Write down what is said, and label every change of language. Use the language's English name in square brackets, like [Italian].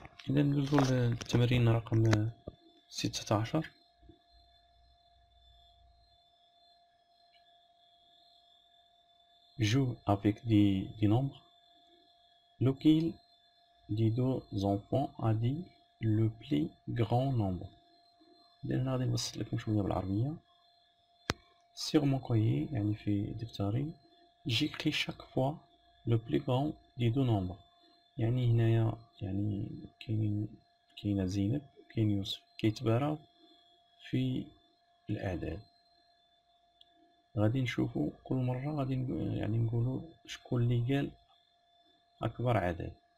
[Arabic] إذا ندخل التمرين رقم 16، [French] Joue avec des nombres. Lequel des deux enfants a dit le plus grand nombre? Dans la démonstration, comme je vous l'ai dit, sur mon cahier, [Arabic] يعني في دفتري, [French] j'écris chaque fois le plus grand des deux nombres. [Arabic] يعني هنا يا يعني كين زينب كين يوسف كيتبارا في الأعداد. غادي نشوفوا كل مرة غادي يعني نقولوا شكون اللي قال أكبر عدد.